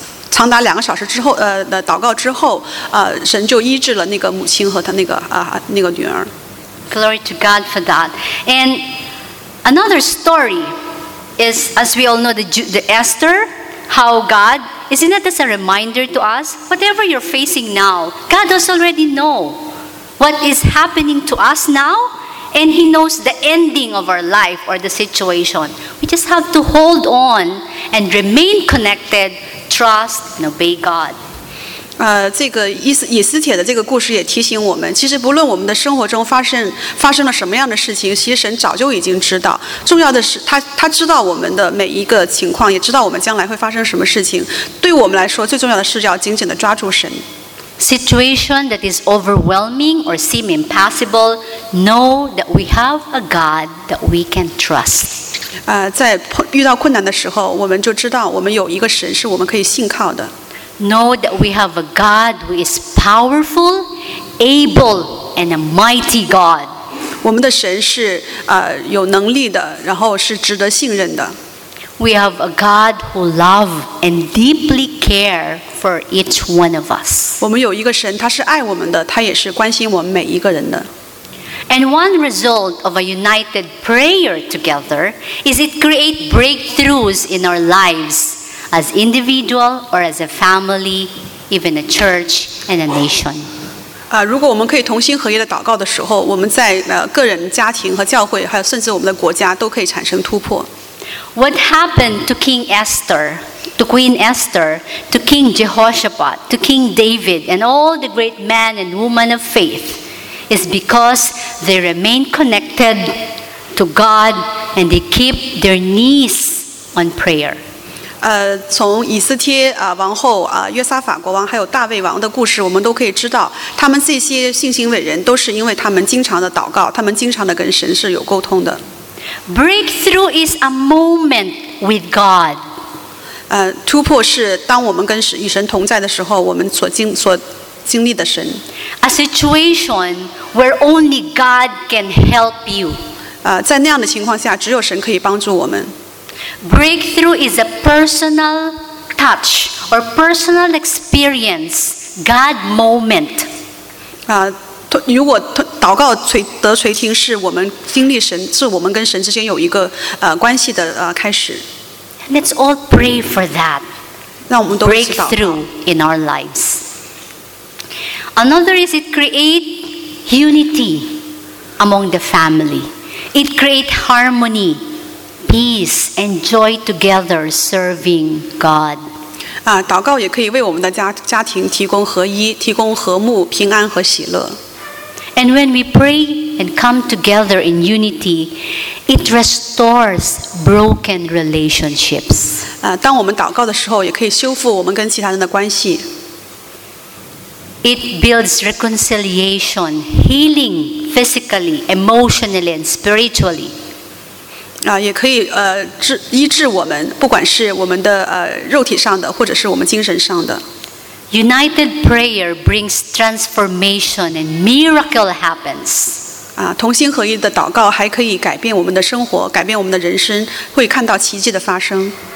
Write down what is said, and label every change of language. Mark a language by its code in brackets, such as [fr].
[zh] 长达两个小时之后，的祷告之后，神就医治了那个母亲和她那个女儿。 [en] Glory to God for that. And another story is, as we all know, the Esther, how God, isn't that just a reminder to us? Whatever you're facing now, God does already know what is happening to us now. And he knows the ending of our life or the situation. We just have to hold on and remain connected, trust, and obey God. [zh] 这个以斯帖的这个故事也提醒我们，其实不论我们的生活中发生了什么样的事情，其实神早就已经知道。重要的是他知道我们的每一个情况，也知道我们将来会发生什么事情。对我们来说，最重要的是要紧紧地抓住神。 [en] Situation that is overwhelming or seem impossible, know that we have a God that we can trust. [zh] 在遇到困难的时候，我们就知道我们有一个神是我们可以信靠的。 [en] Know that we have a God who is powerful, able, and a mighty God. [zh] 我们的神是有能力的，然后是值得信任的。 [en] We have a God who loves and deeply cares for each one of us. [zh] 我们有一个神，他是爱我们的，他也是关心我们每一个人的。 [en] And one result of a united prayer together is it creates breakthroughs in our lives as individual or as a family, even a church and a nation. [zh] 如果我们可以同心合一的祷告的时候，我们在个人、家庭和教会，还有甚至我们的国家，都可以产生突破。 [en] What happened to King Esther, to Queen Esther, to King Jehoshaphat, to King David, and all the great men and women of faith is because they remain connected to God and they keep their knees on prayer. [zh] 从以斯帖王后约撒法国王还有大卫王的故事，我们都可以知道，他们这些信心伟人都是因为他们经常的祷告，他们经常的跟神是有沟通的。 [en] Breakthrough is a moment with God. [zh] 突破是当我们跟神与神同在的时候，我们所经历的神。 [en] A situation where only God can help you. [zh] 在那样的情况下，只有神可以帮助我们。 [en] Breakthrough is a personal touch or personal experience, God moment. [zh] 如果祷告得垂听，是我们经历神，是我们跟神之间有一个关系的开始。 [en] Let's all pray for that. [zh] 让我们都一起祷告。 [en] Breakthrough in our lives. Another is it create unity among the family. It create harmony, peace, and joy together serving God. [zh] 祷告也可以为我们的家庭提供合一，提供和睦、平安和喜乐。 [en] And when we pray and come together in unity, it restores broken relationships. [zh] 当我们祷告的时候，也可以修复我们跟其他人的关系。 [en] It builds reconciliation, healing physically, emotionally, and spiritually. [zh] 也可以医治我们，不管是我们的肉体上的，或者是我们精神上的。 [en] United prayer brings transformation and miracle happens. [zh] 同心合一的祷告还可以改变我们的生活，改变我们的人生，会看到奇迹的发生。